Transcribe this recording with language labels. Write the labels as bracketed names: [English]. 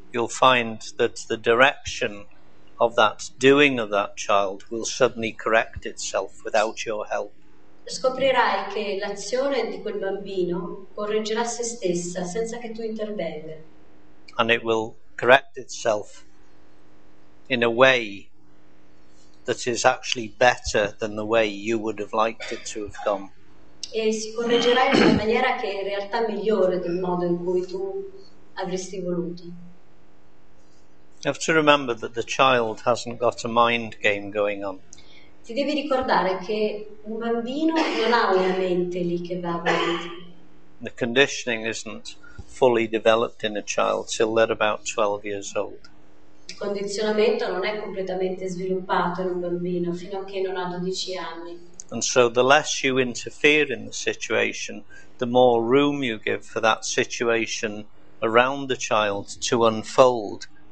[English] You'll find that the direction of that doing of that child will suddenly correct itself without your help. [Italian] Scoprirai che l'azione di quel bambino correggerà se stessa senza che tu intervenga. [English] And it will correct itself in a way that is actually better than the way you would have liked it to have gone. [Italian] E si correggerà in una maniera che è in realtà migliore del modo in cui tu avresti voluto. [English] You have to remember that the child hasn't got a mind game going on. [Italian] Ti devi ricordare che un bambino non ha una mente lì che va avanti. [English] The conditioning isn't fully developed in a child till they're about 12 years old. [Italian] Il condizionamento non è completamente sviluppato in un bambino fino a che non ha 12 anni. [English] And so the less you interfere in the situation, the more room you give for that situation around the child to unfold.